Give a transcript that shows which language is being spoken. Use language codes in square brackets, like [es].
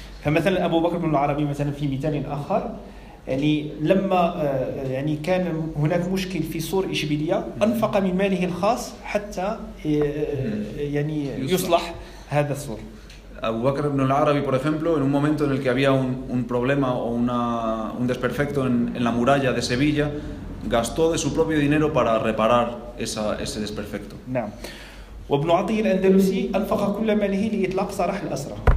[ar] فمثلا Abu Bakr ibn al-Arabi مثلا في مثال آخر يعني لما يعني كان هناك مشكل في سور إشبيلية أنفق من ماله الخاص حتى يعني يصلح هذا السور. [es] Abu Bakr ibn al-Arabi, por ejemplo, en un momento en el que había un problema o un desperfecto en la muralla de Sevilla, gastó de su propio dinero para reparar ese desperfecto. [ar] نعم. وابن عطية الأندلسي أنفق كل ماله لإطلاق سراح الأسرى.